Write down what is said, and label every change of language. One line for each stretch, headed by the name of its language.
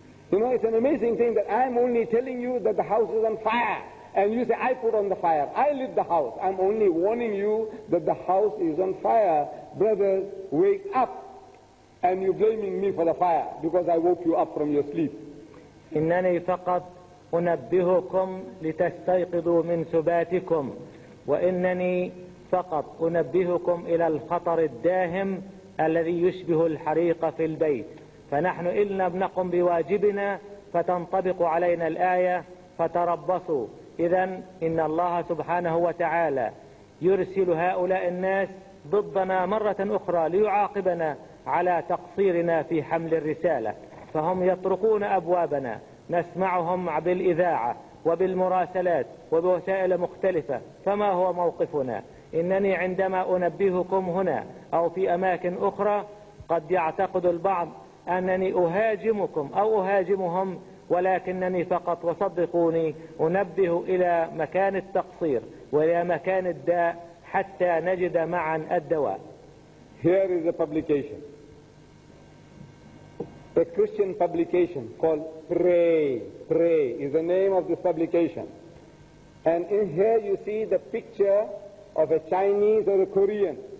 English: You know, it's an amazing thing that I am only telling you that the house is on fire. And you say, I put on the fire. I lit the house. I'm only warning you that the house is on fire. Brothers, wake up. And you're blaming me for the fire because I woke you up from your sleep.
Arabic: إنني فقط أنبهكم لتستيقظوا من سباتكم، وإنني فقط أنبهكم إلى الخطر الداهم الذي يشبه الحريق في البيت. فنحن إلنا بنقم بواجبنا فتنطبق علينا الآية فتربصوا. إذن إن الله سبحانه وتعالى يرسل هؤلاء الناس ضدنا مرة أخرى ليعاقبنا على تقصيرنا في حمل الرسالة، فهم يطرقون أبوابنا نسمعهم بالإذاعة وبالمراسلات وبوسائل مختلفة، فما هو موقفنا؟ إنني عندما أنبهكم هنا أو في أماكن أخرى قد يعتقد البعض أنني أهاجمكم أو أهاجمهم، ولكنني فقط وصدقوني أنبه إلى مكان التقصير وإلى مكان الداء حتى نجد معا الدواء.
English: Here is a publication, a Christian publication called Pray. Pray is the name of this publication. And in here you see the picture of a Chinese or a Korean.